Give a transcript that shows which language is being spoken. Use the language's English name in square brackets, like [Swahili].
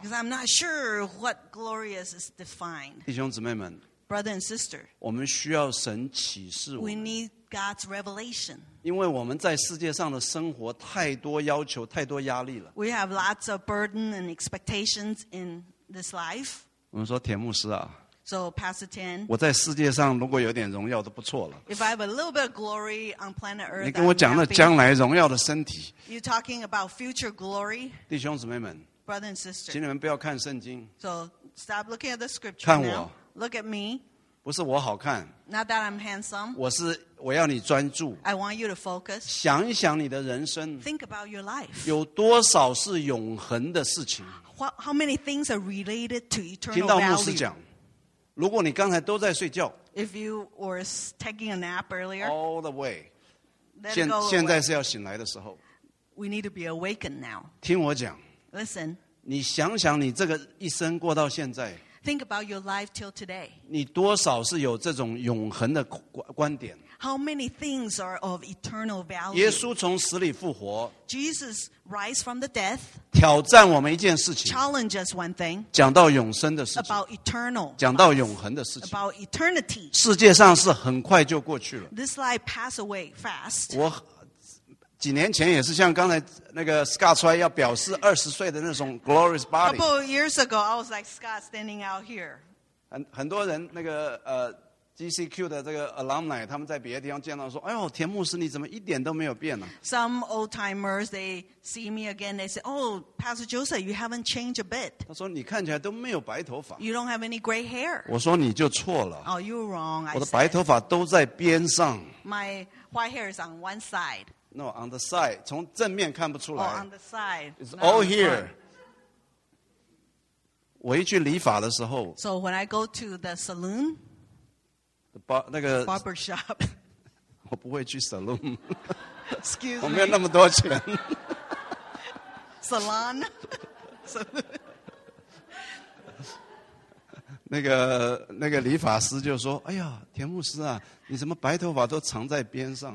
[English] Because I'm not sure what glorious is defined. [Chinese] 弟兄姊妹们, [English] Brother and sister, [Chinese] 我们需要神启示我们。 [English] We need God's revelation. [Chinese] 因为我们在世界上的生活太多要求，太多压力了。 [English] We have lots of burden and expectations in this life. [Chinese] 我们说铁牧师啊, [English] so Pastor Tian, [Chinese] 我在世界上如果有点荣耀都不错了。 [English] If I have a little bit of glory on planet Earth, [Chinese] 你跟我讲了将来荣耀的身体。 [English] You talking about future glory? [Chinese] 弟兄姊妹们, [English] Brother and sister, [Chinese] 请你们不要看圣经。 [English] So stop looking at the scripture. [Chinese] 看我, [English] now. Look at me. [Chinese] 不是我好看, [English] not that I'm handsome. [Chinese] 我要你专注。 [English] I want you to focus. [Chinese] 想一想你的人生, [English] think about your life. [Chinese] 有多少是永恒的事情? [English] How many things are related to eternal value? [Chinese] 听到牧师讲, 如果你刚才都在睡觉, [English] if you were taking a nap earlier, all the way, [Chinese] 现, 现在是要醒来的时候, [English] we need to be awakened now. [Chinese] 听我讲, [English] listen, [Chinese] 你想想你这个一生过到现在, [English] Think about your life till today. [Chinese] 你多少是有这种永恒的观点? [English] How many things are of eternal value? [Chinese] 耶稣从死里复活, [English] Jesus rise from the death. [Chinese] 挑战我们一件事情, [English] challenge us one thing. [Chinese] 讲到永生的事情, [English] about eternal. [Chinese] 讲到永恒的事情, [English] about eternity. [Chinese] 世界上是很快就过去了, [English] this life passed away fast. [Chinese] 几年前也是像刚才那个Scott出来要表示20岁的那种 [English] glorious body. A couple of years ago, I was like Scott standing out here. [Chinese] 很多人那个GCQ的这个 alumni, 他们在别的地方见到说，哎呦，田牧师你怎么一点都没有变呢？ [English] Some old timers they see me again, they say, "Oh, Pastor Joseph, you haven't changed a bit." [Chinese] 他说你看起来都没有白头发。 [English] You don't have any gray hair. [Chinese] 我说你就错了。 [English] Oh, you're wrong. [Chinese] 我的白头发都在边上。 [English] My white hair is on one side. No, on the side. [Chinese] 从正面看不出来。 [English] Oh, on the side. It's all here. [Chinese] 我一去理发的时候, [English] so when I go to the saloon, the bar, 那个, barber shop, [Chinese] 我不会去 saloon. [English] Excuse me. [Chinese] 我没有那么多钱。 [English] Salon. [Chinese] 那个理发师就说, 哎呀, 田牧师啊, 你怎么白头发都藏在边上?